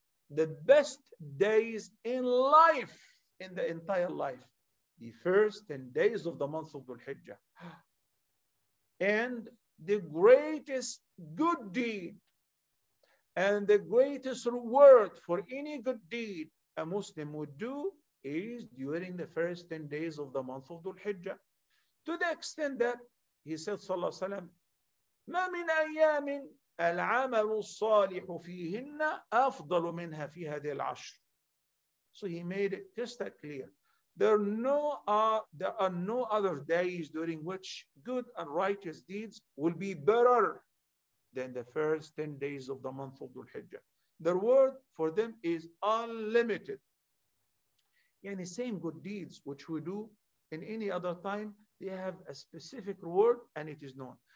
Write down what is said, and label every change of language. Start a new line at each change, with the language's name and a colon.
English: The best days in life, in the entire life, the first 10 days of the month of Dhul Hijjah. And the greatest good deed and the greatest reward for any good deed a Muslim would do is during the first 10 days of the month of Dhul Hijjah. To the extent that he said,
Arabic: صلى الله عليه وسلم, ما من أيام العمل الصالح فيهن أفضل منها في هذه العشر.
English: So he made it crystal clear. There are no other days during which good and righteous deeds will be better than the first 10 days of the month of Dhul Hijjah. The reward for them is unlimited. And the same good deeds which we do in any other time, they have a specific reward and it is known.